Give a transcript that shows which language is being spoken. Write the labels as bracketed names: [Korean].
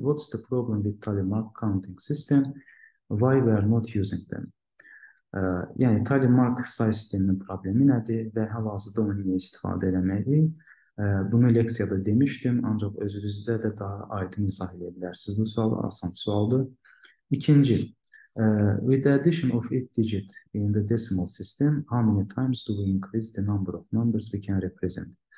[English] What's the problem with Tally Mark counting system? Why we're not using them? [Azerbaijani] Yəni, Tally Mark say sisteminin problemi nədir və hal-hazırda onu niyə istifadə eləməliyik? Bunu leksiyada demişdim, ancaq özünüzdə də daha aydın izah edə bilərsiniz. Bu sual asan sualdır. [English] İkinci, with the addition of 8 digit in the decimal system, how many times do we increase the number of numbers we can represent?